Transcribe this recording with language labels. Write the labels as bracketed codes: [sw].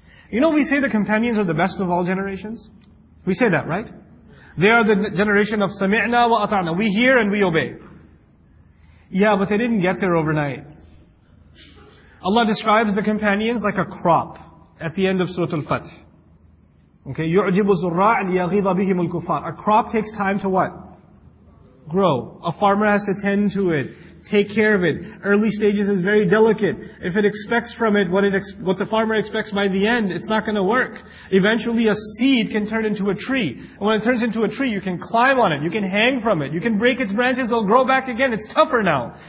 [en] You know, we say the companions are the best of all generations. We say that, right? They are the generation of [ar] سَمِعْنَا وَأَطَعْنَا. [en] We hear and we obey. Yeah, but they didn't get there overnight. Allah describes the companions like a crop at the end of Surah Al-Fath. Okay, [ar] يُعْجِبُ الزُّرَّاعَ لِيَغِيظَ بِهِمُ الْكُفَّارِ. [en] A crop takes time to what? Grow. A farmer has to tend to it, take care of it. Early stages is very delicate. If it expects from it what the farmer expects by the end, it's not going to work. Eventually a seed can turn into a tree. And when it turns into a tree, you can climb on it, you can hang from it, you can break its branches, they'll grow back again, it's tougher now.